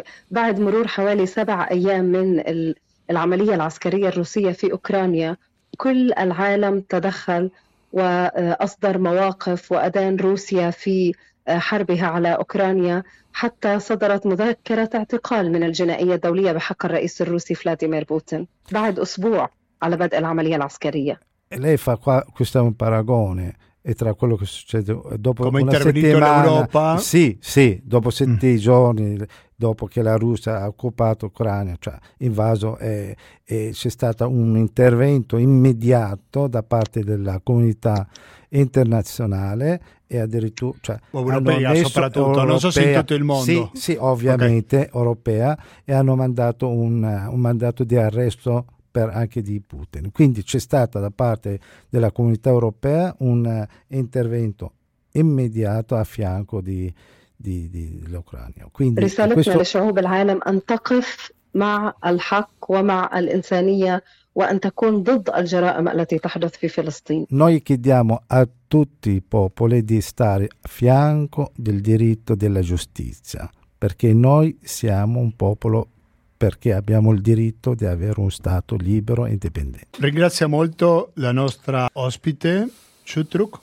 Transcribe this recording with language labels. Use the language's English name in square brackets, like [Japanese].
[Arabic] بعد مرور حوالي 7 أيام من العملية العسكرية الروسية في أوكرانيا كل العالم تدخل وأصدر مواقف وأدان روسيا في حربها على أوكرانيا حتى صدرت مذكرة اعتقال من الجنائية الدولية بحق الرئيس الروسي فلاديمير بوتين بعد أسبوع على بدء العملية العسكرية. [Italian] Lei fa questo è un paragone e tra quello che succede dopo come è una intervenito settimana, l'Europa? Sì, dopo 7 giorni, dopo che la Russia ha occupato l'Ucraina, cioè invaso, e c'è stato un intervento immediato da parte della comunità internazionale e addirittura, cioè, europea, non so se in tutto il mondo. Sì, ovviamente, okay. Europea, e hanno mandato un mandato di arresto per anche di Putin. Quindi c'è stata da parte della comunità europea un intervento immediato a fianco di dell'Ucraina. Quindi questo [Arabic] للشعوب العالم ان تقف مع الحق ومع الانسانيه وان تكون ضد الجرائم التي تحدث في فلسطين. [Italian] Noi chiediamo a tutti i popoli di stare a fianco del diritto della giustizia, perché noi siamo un popolo, perché abbiamo il diritto di avere un Stato libero e indipendente. Ringrazio molto la nostra ospite, Shutruk.